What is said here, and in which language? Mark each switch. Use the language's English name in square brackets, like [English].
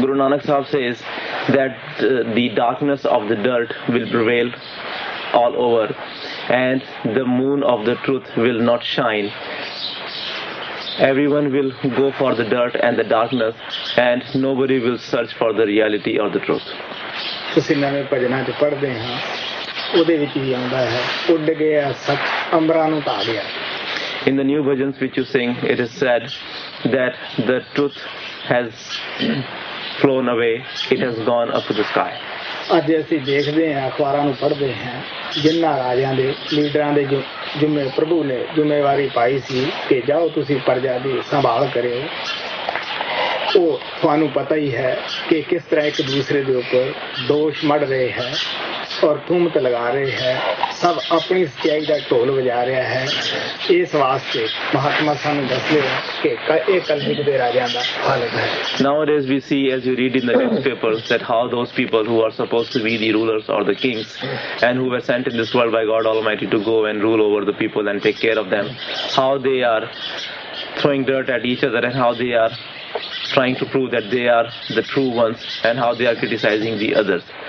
[English] Guru Nanak Sahib says that the darkness of the dirt will prevail all over and the moon of the truth will not shine. Everyone will go for the dirt and the darkness and nobody will search for the reality or the truth. [Punjabi] ਤੁਸੀਂ ਨਵੇਂ ਭਜਨਾਂ ਚ ਪੜ੍ਹਦੇ ਹਾਂ ਉਹਦੇ ਵਿੱਚ ਵੀ ਆਉਂਦਾ ਹੈ ਉੱਡ ਗਿਆ ਸੱਚ ਅੰਬਰਾਂ ਨੂੰ ਤਾਂ ਗਿਆ. [English] In the new versions which you sing, it is said that the truth has flown away, it has gone up to the sky. [Punjabi] ਅੱਜ ਅਸੀਂ ਦੇਖਦੇ ਹਾਂ ਅਖਬਾਰਾਂ ਨੂੰ ਪੜ੍ਹਦੇ ਹਾਂ ਜਿਨ੍ਹਾਂ ਰਾਜਿਆਂ ਦੇ ਲੀਡਰਾਂ ਦੇ ਜਿੰਮੇ ਪ੍ਰਭੂ ਨੇ ਜ਼ਿੰਮੇਵਾਰੀ ਪਾਈ ਸੀ ਕਿ ਜਾਓ ਤੁਸੀਂ ਪ੍ਰਜਾ ਦੀ ਸੰਭਾਲ ਕਰਿਓ, ਉਹ ਤੁਹਾਨੂੰ ਪਤਾ ਹੀ ਹੈ ਕਿ ਕਿਸ ਤਰ੍ਹਾਂ ਇੱਕ ਦੂਸਰੇ ਦੇ ਉੱਪਰ ਦੋਸ਼ ਮੜ ਰਹੇ ਹੈ ਔਰ ਤੁਮਤ ਲਗਾ ਰਹੇ ਹੈ, ਸਭ ਆਪਣੀ ਸੱਚਾਈ ਦਾ ਢੋਲ ਵਜਾ ਰਿਹਾ ਹੈ. ਇਸ ਵਾਸਤੇ ਮਹਾਤਮਾ ਸਾਨੂੰ ਦੱਸਦੇ ਹਨ ਕਿ ਇਹ ਕਲਯੁਗ ਦੇ ਰਾਜਿਆਂ ਦਾ ਹਾਲਤ ਹੈ. [English] Nowadays we see, as you read in the newspapers, that how those people who are supposed to be the rulers or the kings and who were sent in this world by God Almighty to go and rule over the people and take care of them, how they are throwing dirt at each other and how they are trying to prove that they are the true ones and how they are criticizing the others.